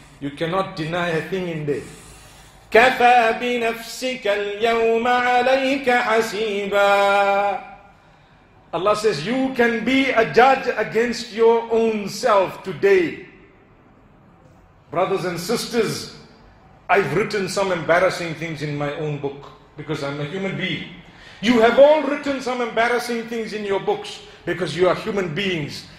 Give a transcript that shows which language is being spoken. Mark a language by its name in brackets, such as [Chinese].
[English] You cannot deny a thing in there. [Arabic] كفى بنفسك اليوم عليك حسيبا. [English] Allah says, you can be a judge against your own self today. Brothers and sisters, I've written some embarrassing things in my own book because I'm a human being. You have all written some embarrassing things in your books because you are human beings.